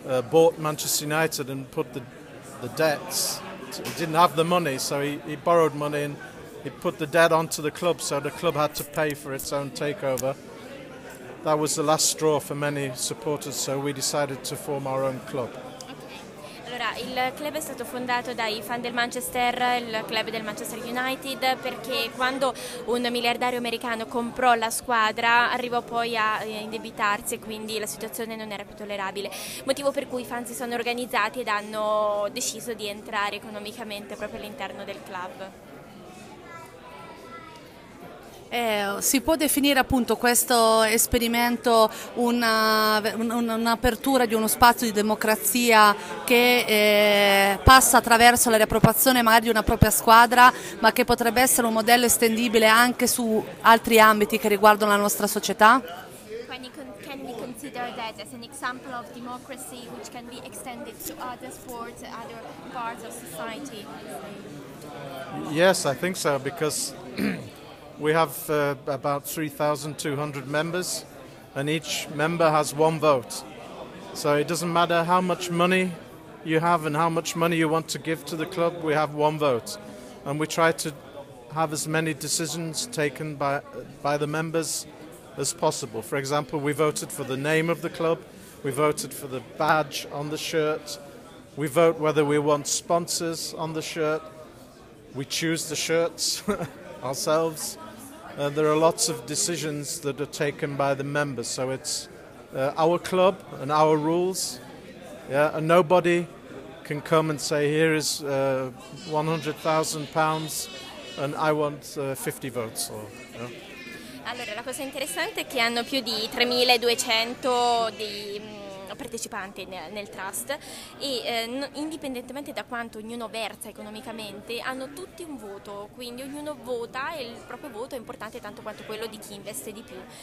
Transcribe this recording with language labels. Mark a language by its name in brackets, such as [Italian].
[English] bought Manchester United and put the debts, he didn't have the money, so he borrowed money and he put the debt onto the club, so the club had to pay for its own takeover. That was the last straw for many supporters, so we decided to form our own club. [Italian] Il club è stato fondato dai fan del Manchester, il club del Manchester United, perché quando un miliardario americano comprò la squadra arrivò poi a indebitarsi e quindi la situazione non era più tollerabile. Motivo per cui i fan si sono organizzati ed hanno deciso di entrare economicamente proprio all'interno del club. Si può definire appunto questo esperimento un'apertura di uno spazio di democrazia che passa attraverso la riappropriazione magari di una propria squadra, ma che potrebbe essere un modello estendibile anche su altri ambiti che riguardano la nostra società? [English] Can we consider that as an example of democracy which can be extended to other sports, other parts of society? Yes, I think so, because we have about 3,200 members, and each member has one vote. So it doesn't matter how much money you have and how much money you want to give to the club, we have one vote. And we try to have as many decisions taken by the members as possible. For example, we voted for the name of the club, we voted for the badge on the shirt, we vote whether we want sponsors on the shirt, we choose the shirts ourselves. There are lots of decisions that are taken by the members, so it's our club and our rules. Yeah, and nobody can come and say, here is £100,000 and I want 50 votes. Or, yeah. [Italian] Allora, la cosa interessante è che hanno più di 3.200 di partecipanti nel trust e indipendentemente da quanto ognuno versa economicamente hanno tutti un voto, quindi ognuno vota e il proprio voto è importante tanto quanto quello di chi investe di più.